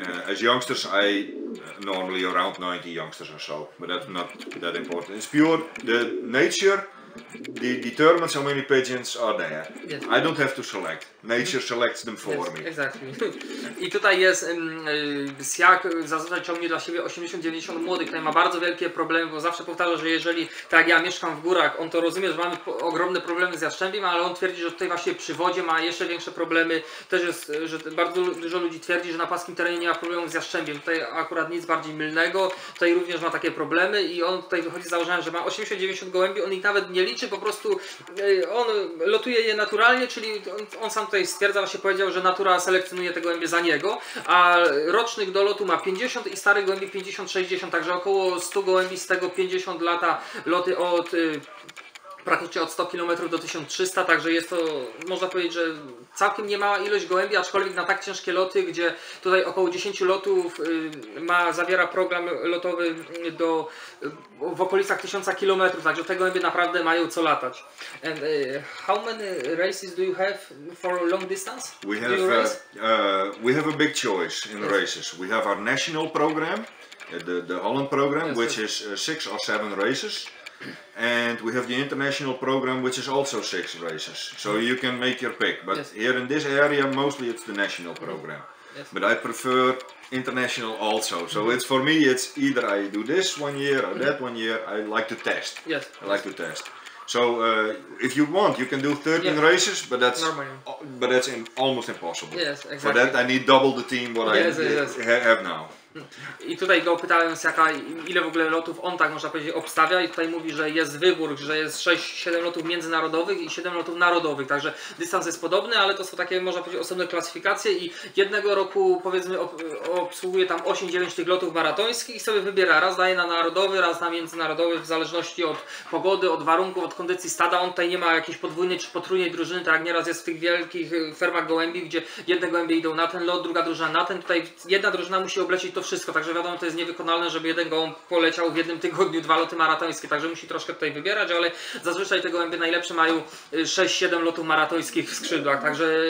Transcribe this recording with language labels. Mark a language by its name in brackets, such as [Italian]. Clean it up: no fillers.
[English] As youngsters I normally around 90 youngsters or so, but that's not that important. It's pure the nature. It determines how many pigeons are there. Yes. I don't have to select. Nature selects them for yes, me. Exactly. [Polish] I tutaj jest Siak zazwyczaj ciągnie dla siebie 80-90 młodych. Tutaj ma bardzo wielkie problemy, bo zawsze powtarza, że jeżeli tak jak ja mieszkam w górach, on to rozumie, że mamy ogromne problemy z jastrzębiem, ale on twierdzi, że tutaj właśnie przy wodzie ma jeszcze większe problemy. Też jest, że bardzo dużo ludzi twierdzi, że na paskim terenie nie ma problemów z jastrzębiem. Tutaj akurat nic bardziej mylnego. Tutaj również ma takie problemy i on tutaj wychodzi z założenia, że ma 80-90 gołębi, on ich nawet nie liczy, po prostu on lotuje je naturalnie, czyli on sam tutaj stwierdza, właśnie powiedział, że natura selekcjonuje te gołębie za niego, a rocznych do lotu ma 50 i starych gołębi 50-60, także około 100 gołębi z tego 50 lata loty od praktycznie od 100 km do 1300, także jest to, można powiedzieć, że całkiem niemała ilość gołębi, aczkolwiek na tak ciężkie loty, gdzie tutaj około 10 lotów ma, zawiera program lotowy do, w okolicach 1000 km, także te gołębie naprawdę mają co latać. [English] And how many races do you have for long distance? We have, we have a big choice in yes. races. We have our national program, the Holland program, yes, which is 6 or 7 races. And we have the international program, which is also 6 races. So you can make your pick. But yes. here in this area, mostly it's the national program. Yes. But I prefer international also. So mm-hmm. it's for me, it's either I do this one year or mm-hmm. that one year. I like to test. Yes. I like to test. So if you want, you can do 13 yes. races, but that's but that's almost impossible. Yes, exactly. For that, I need double the team what yes, I yes. Have now. [Polish] I tutaj go pytałem, jaka, ile w ogóle lotów on tak można powiedzieć obstawia i tutaj mówi, że jest wybór, że jest 6-7 lotów międzynarodowych i 7 lotów narodowych, także dystans jest podobny, ale to są takie można powiedzieć osobne klasyfikacje i jednego roku powiedzmy obsługuje tam 8-9 tych lotów maratońskich i sobie wybiera, raz daje na narodowy, raz na międzynarodowy w zależności od pogody, od warunków, od kondycji stada, on tutaj nie ma jakiejś podwójnej czy potrójnej drużyny, tak jak nieraz jest w tych wielkich fermach gołębi, gdzie jedne gołębie idą na ten lot, druga drużyna na ten, tutaj jedna drużyna musi oblecieć to wszystko, także wiadomo, to jest niewykonalne, żeby jeden gołąb poleciał w jednym tygodniu 2 loty maratońskie, także musi troszkę tutaj wybierać, ale zazwyczaj te gołębie najlepsze mają 6-7 lotów maratońskich w skrzydłach, także